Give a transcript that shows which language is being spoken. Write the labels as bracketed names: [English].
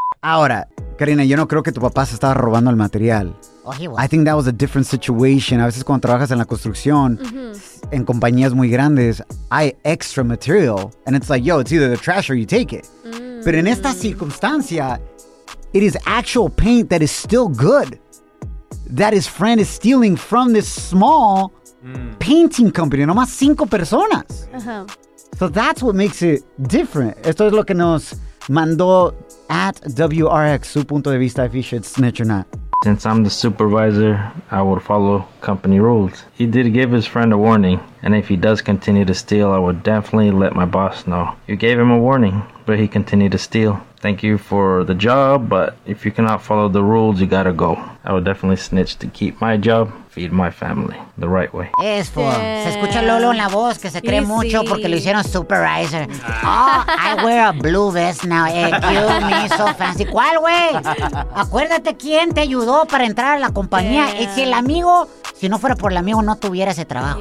[Spanish] Ahora, Karina, yo no creo que tu papá se estaba robando el material. [English] I think that was a different situation. [Spanish] A veces cuando trabajas en la construcción, en compañías muy grandes, hay extra material. [English] And it's like, yo, it's either the trash or you take it. But in [Spanish] esta circunstancia, [English] it is actual paint that is still good. That his friend is stealing from this small painting company. [Spanish] Nomás cinco personas. [English] So that's what makes it different. [Spanish] Esto es lo que nos mandó at WRX, su punto de vista, [English] if he should snitch or not. Since I'm the supervisor, I would follow company rules. He did give his friend a warning, and if he does continue to steal, I would definitely let my boss know. You gave him a warning, but he continued to steal. Thank you for the job, but if you cannot follow the rules, you gotta go. I would definitely snitch to keep my job, feed my family the right way. Es for. [Spanish] Se escucha Lolo en la voz que se cree mucho porque lo hicieron supervisor. [English] Oh, I wear a blue vest now. You me so fancy. [Spanish] ¿Cuál, güey? Acuérdate quién te ayudó para entrar a la compañía. Y si el amigo, si no fuera por el amigo, no tuviera ese trabajo.